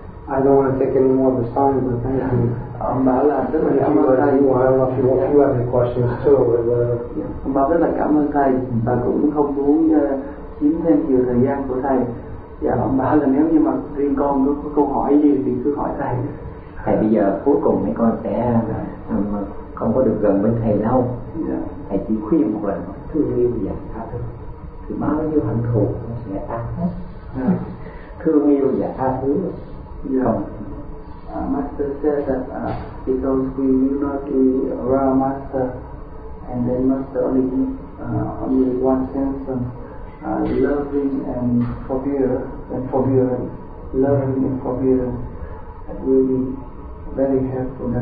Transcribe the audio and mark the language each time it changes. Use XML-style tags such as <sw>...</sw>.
<en>I don't want to take any more of his time, but thank you.</en> <vi>Ông bảo là rất là cảm ơn thầy.</vi> <en>You have any questions too, but</en> <vi>ông bảo rất là cảm ơn thầy và cũng không muốn chiếm thêm nhiều thời gian của thầy. Dạ, ông bảo là nếu như mà riêng con có câu hỏi gì thì cứ hỏi thầy. Thầy bây giờ cuối cùng mấy con sẽ không có được gần bên thầy lâu. Yeah. Thầy chỉ khuyên một lần thương yêu và tha thứ. Thì bao nhiêu hận thù nó sẽ tan hết. Yeah. Thương yêu và tha thứ. Yeah.</vi> <en>Master said that because we will not be around Master, and then Master only one sense of loving and forbearance, loving and forbearance, that will be very helpful.</en>